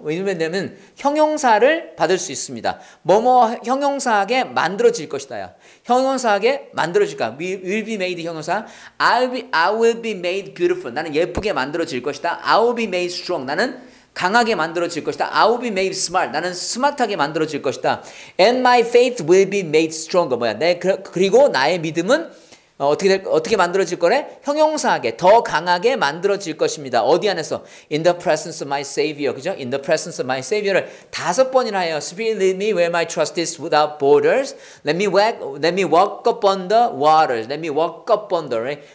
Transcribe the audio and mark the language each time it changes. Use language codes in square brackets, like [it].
[ko] 왜냐면 형용사를 받을 수 있습니다. 뭐뭐 형용사하게 만들어질 것이다야. 형용사하게 만들어질 거야. [en] Will be made 형용사. I will be made beautiful. [ko] 나는 예쁘게 만들어질 것이다. [en] I will be made strong. [ko] 나는 강하게 만들어질 것이다. [en] I will be made smart. [ko] 나는 스마트하게 만들어질 것이다. [en] And my faith will be made stronger. [ko] 뭐야? 그리고 나의 믿음은 어떻게 만들어질 거래? 형용사하게 더 강하게 만들어질 것입니다. 어디 안에서? [en] In the presence of my Savior. [ko] 그죠? [en] In the presence of my Savior를 [ko] 다섯 번이나 해요. [en] Spirit lead me where my trust is without borders. Let me walk upon the waters. Let me walk upon the right.